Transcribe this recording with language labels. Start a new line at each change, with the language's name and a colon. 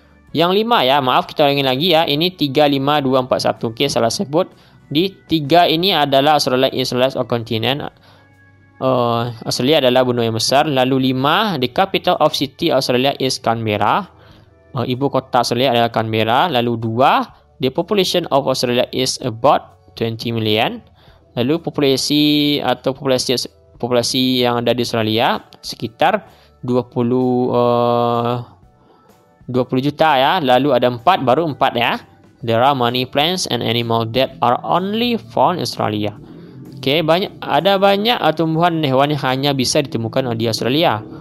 Indonesian: Yang 5 ya, maaf kita ulangi lagi ya. Ini 3, 5, 2, 4, 1. Okay, salah sebut. Di 3 ini adalah
English: Australia is less of continent.
Indonesian: Australia adalah benua yang besar. Lalu 5,
English: the capital of city Australia is Canberra.
Indonesian: Ibu kota Australia adalah Canberra. Lalu 2,
English: the population of Australia is about 20 million.
Indonesian: Lalu populasi yang ada di Australia sekitar 20 juta ya. Lalu ada 4, baru 4 ya.
English: There are many plants and animals that are only found in Australia.
Indonesian: Okay, ada banyak tumbuhan dan hewan yang hanya bisa ditemukan di Australia.